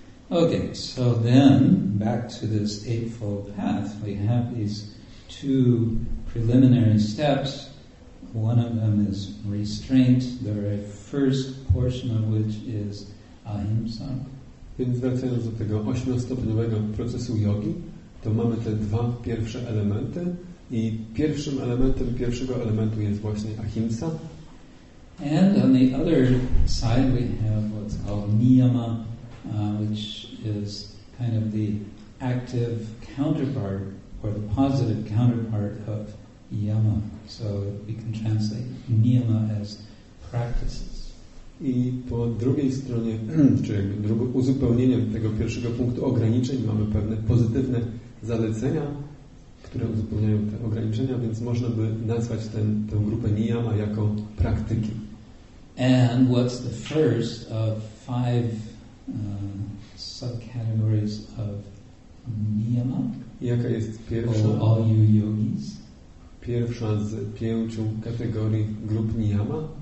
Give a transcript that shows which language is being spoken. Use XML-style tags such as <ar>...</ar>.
<en>Okay, so then back to this Eightfold Path, we have these two preliminary steps. One of them is restraint, the very first portion of which is ahimsa.</en> <pl>Więc wracając do tego ośmiostopniowego procesu jogi, to mamy te dwa pierwsze elementy i pierwszym elementem pierwszego elementu jest właśnie ahimsa.</pl> <en>And on the other side we have what's called niyama, which is kind of the active counterpart or the positive counterpart of yama. So we can translate niyama as practices.</en> <pl>I po drugiej stronie, czy jakby uzupełnieniem tego pierwszego punktu ograniczeń, mamy pewne pozytywne zalecenia, które uzupełniają te ograniczenia, więc można by nazwać tę grupę niyama jako praktyki.</pl> <en>And what's the first of five subcategories of niyama?</en> <pl>Jaka jest pierwsza?</pl> <en>Or all you yogis?</en> <pl>Pierwsza z pięciu kategorii grup niyama?</pl>